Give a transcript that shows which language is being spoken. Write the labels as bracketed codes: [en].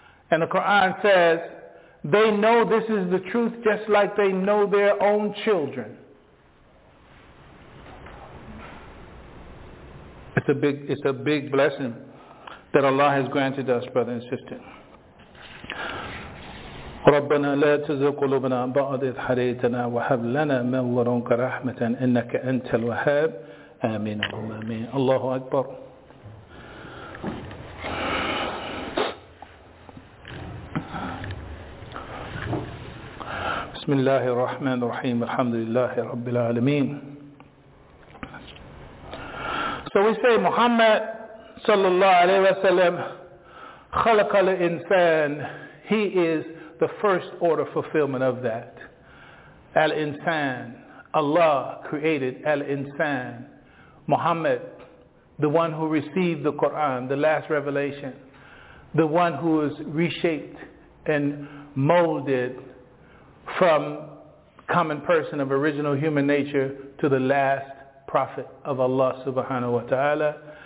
[en] And the Quran says, they know this is the truth just like they know their own children. It's a big blessing that Allah has granted us, brother and sister. [ar] ربنا لا تزغ قلوبنا بعد إذ هديتنا وهب لنا من لدنك رحمة إنك أنت الوهاب آمين آمين الله أكبر بسم الله الرحمن الرحيم الحمد لله رب العالمين [en] So we say Muhammad [ar] صلى الله عليه وسلم خلق الإنسان [en] He is the first order fulfillment of that. Al-Insan, Allah created Al-Insan. Muhammad, the one who received the Quran, the last revelation, the one who was reshaped and molded from common person of original human nature to the last prophet of Allah subhanahu wa ta'ala.